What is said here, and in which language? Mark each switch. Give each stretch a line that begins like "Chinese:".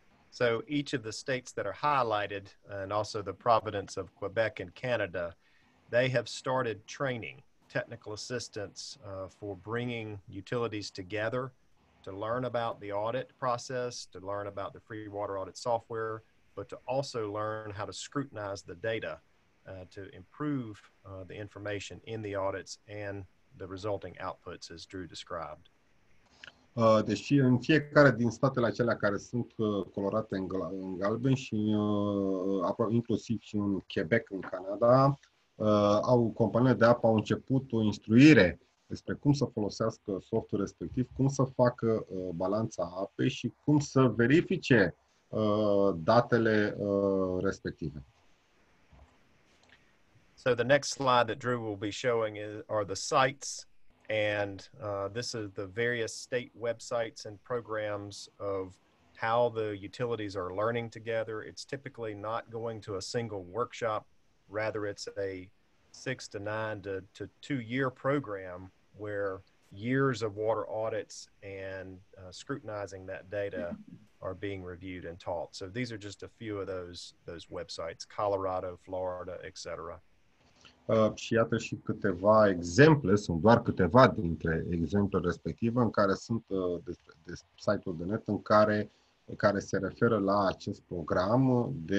English: So each of the states that are highlighted and also the province of Quebec in Canada, they have started training technical assistance for bringing utilities together to learn about the audit process, to learn about the free water audit software, but to also learn how to scrutinize the data to improve the information in the audits and the resulting outputs, as Drew described.
Romanian: Deci în fiecare din statele acelea care sunt colorate în galben și inclusiv și în Quebec, în Canada, au companiile de apă au început o instruire despre cum să folosească softul respectiv, cum să facă balanța apei și cum să verifice datele respective.
English: So the next slide that Drew will be showing are the sites, and this is the various state websites and programs of how the utilities are learning together. It's typically not going to a single workshop, rather it's a 6 to 9 to 2 year program where years of water audits and scrutinizing that data are being reviewed and taught. So these are just a few of those websites, Colorado, Florida, et cetera.
Romanian: Și iată și câteva exemple, sunt doar câteva dintre exemplele respective în care sunt de site-ul de net care se referă la acest program